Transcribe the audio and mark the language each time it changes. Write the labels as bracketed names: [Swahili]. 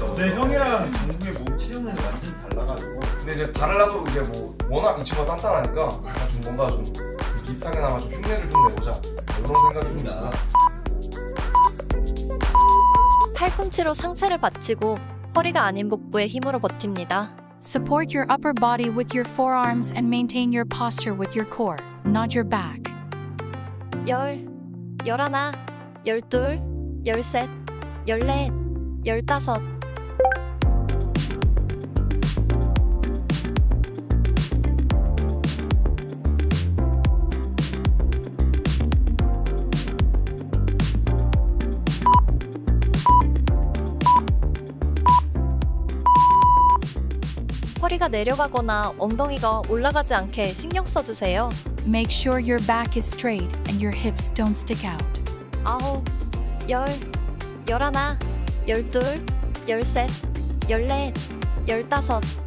[Korean] 내 형이랑 동국이 몸 체형은 완전 달라가지고. 근데 이제 다르라도 이제 뭐 워낙 이 친구가 단단하니까 약간 좀 뭔가 좀 비슷하게나마 좀 흉내를 좀 내보자 이런 생각이 좀 나. 팔꿈치로 상체를 받치고 허리가 아닌 복부에 힘으로 버팁니다. [English] Support your upper body with your forearms and maintain your posture with your core, not your back. [Korean] 열, 열하나, 열둘, 열셋, 열넷, 열다섯. 허리가 내려가거나 엉덩이가 올라가지 않게 신경 써주세요. [English] Make sure your back is straight and your hips don't stick out. [Korean] 아홉, 열, 열하나, 열둘, 열셋, 열넷, 열다섯.